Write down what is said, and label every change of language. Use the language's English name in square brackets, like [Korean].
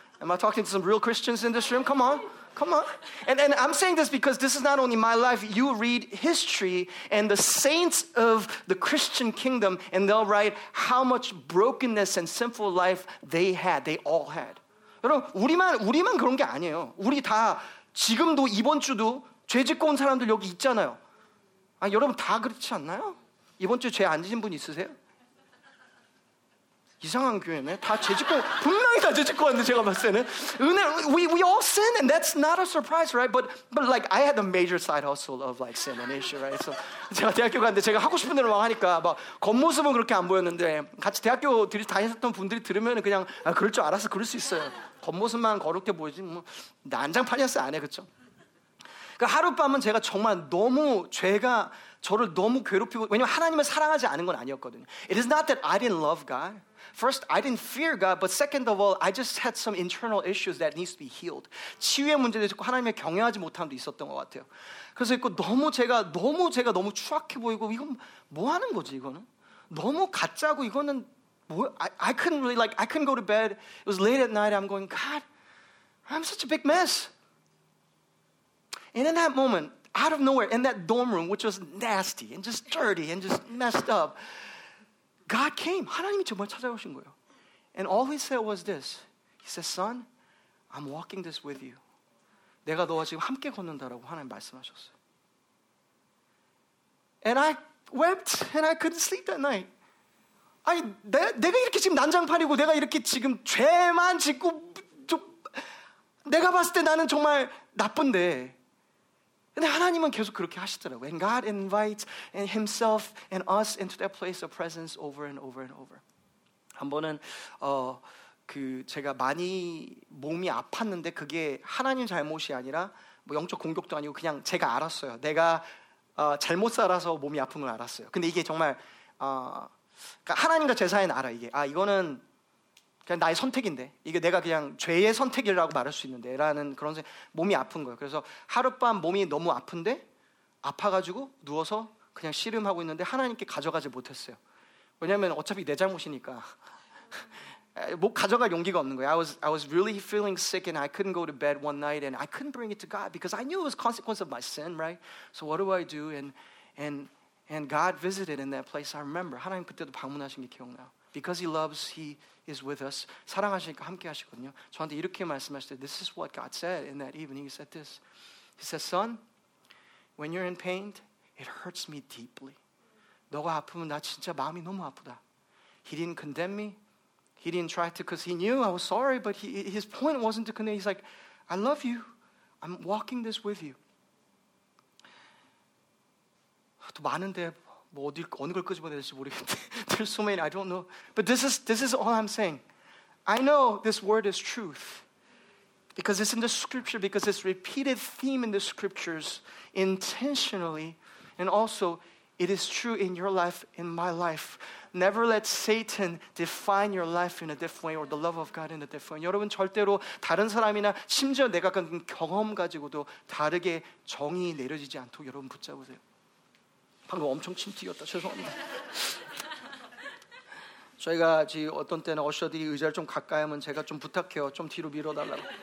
[English] Am I talking to some real Christians in this room? Come on. Come on. And I'm saying this because this is not only my life. You read history and the saints of the Christian kingdom and they'll write how much brokenness and sinful life they had. They all had. [Korean] 여러분, 우리만 그런 게 아니에요. 우리 다 지금도 이번 주도 죄 짓고 온 사람들 여기 있잖아요. 아, 여러분 다 그렇지 않나요? 이번 주에 죄 안 지신 분 있으세요? 이상한 교회네. 다 죄 짓고 분명히 다 죄 짓고 왔는데 제가 봤을 때는 [English] we all sin and that's not a surprise, right? But like I had a major side hustle of like sin and issue, right? [Korean] So 제가 대학교 갔는데 제가 하고 싶은 대로 막 하니까 막 겉모습은 그렇게 안 보였는데 같이 대학교 다니셨던 분들이 들으면 그냥 아, 그럴 줄 알아서 그럴 수 있어요. 겉모습만 거룩해 보이지 뭐 난장판이었어 안 해 그쵸? 그 하룻밤은 제가 정말 너무 죄가 저를 너무 괴롭히고 왜냐면 하나님을 사랑하지 않은 건 아니었거든요. [English] It is not that I didn't love God. First, I didn't fear God, but second of all, I just had some internal issues that needs to be healed. [Korean] 치유의 문제도 있고 하나님을 경외하지 못함도 있었던 것 같아요. 그래서 있고 너무 제가 추악해 보이고 이건 뭐 하는 거지 이거는? 너무 가짜고 이거는 뭐 [English] I couldn't really like I couldn't go to bed. It was late at night. I'm going, God, I'm such a big mess. And in that moment, out of nowhere, in that dorm room, which was nasty and just dirty and just messed up, God came. [Korean] 하나님이 정말 찾아오신 거예요. [English] And all He said was this. He said, Son, I'm walking this with you. [Korean] 내가 너와 지금 함께 걷는다라고 하나님 말씀하셨어요. [English] And I wept and I couldn't sleep that night. [Korean] 아니, 내가 이렇게 지금 난장판이고 내가 이렇게 지금 죄만 짓고 좀, 내가 봤을 때 나는 정말 나쁜데. 근데 하나님은 계속 그렇게 하시더라고요. [English] When God invites Himself and us into that place of presence over and over and over. [Korean] 한 번은 그 제가 많이 몸이 아팠는데 그게 하나님 잘못이 아니라 뭐 영적 공격도 아니고 그냥 제가 알았어요. 내가 잘못 살아서 몸이 아픈 걸 알았어요. 근데 이게 정말 그러니까 하나님과 제 사이는 알아 이게. 아 이거는 그냥 나의 선택인데 이게 내가 그냥 죄의 선택이라고 말할 수 있는데 라는 그런 생각, 몸이 아픈 거예요. 그래서 하룻밤 몸이 너무 아픈데 아파가지고 누워서 그냥 씨름하고 있는데 하나님께 가져가지 못했어요. 왜냐하면 어차피 내 잘못이니까 뭐 가져갈 용기가 없는 거예요. [English] I was really feeling sick and I couldn't go to bed one night and I couldn't bring it to God because I knew it was consequence of my sin, right? So what do I do? And God visited in that place. I remember [Korean] 하나님 그때도 방문하신 게 기억나요. [English] Because he loves, he is with us. [Korean] 사랑하시니까 함께 하시거든요. 저한테 이렇게 말씀하실 때, [English] this is what God said in that evening. He said this. He said, son, when you're in pain, it hurts me deeply. [Korean] 너가 아프면 나 진짜 마음이 너무 아프다. [English] He didn't condemn me. He didn't try to, because he knew I was sorry, but his point wasn't to condemn. He's like, I love you. I'm walking this with you. [Korean] 또 많은데 뭐 어디 어느 걸 끄집어내야 될지 모르겠는데 [English] There's so many, I don't know. But this is all I'm saying. I know this word is truth. Because it's in the scripture, because it's a repeated theme in the scriptures intentionally. And also, it is true in your life, in my life. Never let Satan define your life in a different way or the love of God in a different way. [Korean] 여러분 절대로 다른 사람이나 심지어 내가 겪은 경험 가지고도 다르게 정의 내려지지 않도록 여러분 붙잡으세요. 방금 엄청 침 튀었다. 죄송합니다. 저희가 지금 어떤 때는 어셔들이 의자를 좀 가까이 하면 제가 좀 부탁해요. 좀 뒤로 밀어달라고.